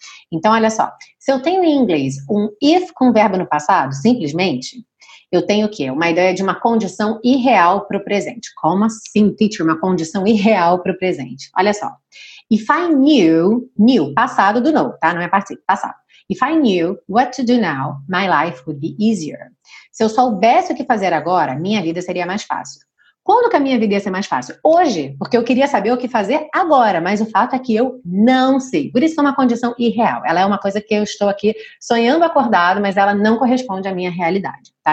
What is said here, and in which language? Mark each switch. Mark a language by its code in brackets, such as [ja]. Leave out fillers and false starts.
[pt] Então, olha só, se eu tenho em inglês um if com verbo no passado, simplesmente, eu tenho o quê? Uma ideia de uma condição irreal para o presente. Como assim, teacher? Uma condição irreal para o presente. Olha só. [en] If I knew, [pt] passado do know, tá? Não é passado. [en] If I knew what to do now, my life would be easier. [pt] Se eu soubesse o que fazer agora, minha vida seria mais fácil. Quando que a minha vida ia ser mais fácil? Hoje, porque eu queria saber o que fazer agora, mas o fato é que eu não sei. Por isso é uma condição irreal. Ela é uma coisa que eu estou aqui sonhando acordado, mas ela não corresponde à minha realidade. Tá?